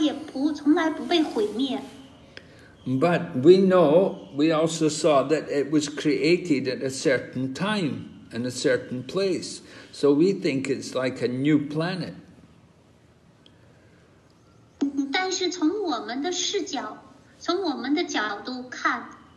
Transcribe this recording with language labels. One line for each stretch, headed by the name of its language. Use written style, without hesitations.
Chinese: 在这个物质世界当中的这个灵性的国度，它是从来不被创造，它也从来不被毁灭。
English: But we know, we also saw that it was created at a certain time and a certain place. So we think it's like a new planet.
Chinese: 但是从我们的视角，从我们的角度看。